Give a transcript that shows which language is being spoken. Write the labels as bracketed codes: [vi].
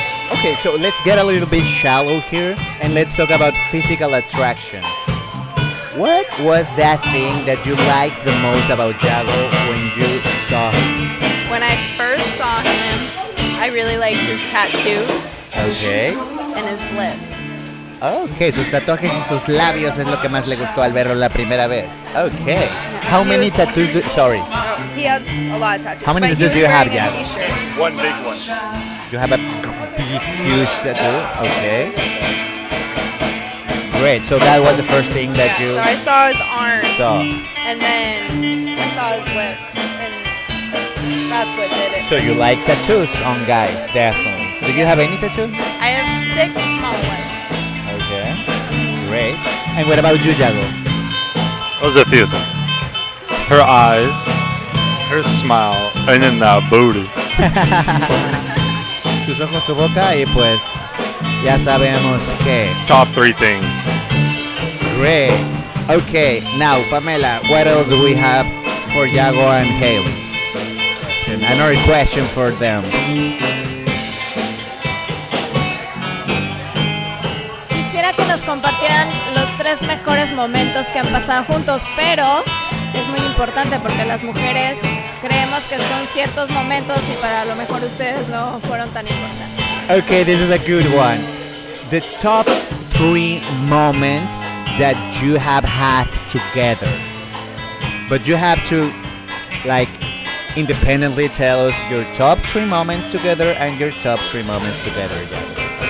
[en] Okay, so let's get a little bit shallow here and let's talk about physical attraction. What was that thing that you liked the most about Yago when you saw him? When I first saw him, I really liked his tattoos. Okay. And his lips. [es] Okay, sus tatuajes y sus labios es lo que más le gustó al verlo la primera vez. [en] Okay. How many tattoos do... Sorry. He has a lot of tattoos. How many tattoos do you have, Yago? Just one big one. You have a big, huge tattoo? Okay. Great, so that was the first thing that you... Yeah, so I saw his arms. So. And then I saw his lips. And that's what did it. So you like tattoos on guys, definitely. Do you have any tattoos? I have 6 small ones. Great. And what about you, Yago? Those are a few things. Her eyes, her smile, and then that booty. [es] Sus ojos, su boca, y pues, ya sabemos que. [en] Top 3 things. Great. Okay, now, Pamela, what else do we have for Yago and Hailey? Another question for them. [es] Nos compartieran los 3 mejores momentos que han pasado juntos, pero es muy importante porque las mujeres creemos que son ciertos momentos y para lo mejor ustedes no fueron tan importantes. [en] Okay, this is a good one. The top 3 moments that you have had together. But you have to independently tell us your top 3 moments together and your top 3 moments together again.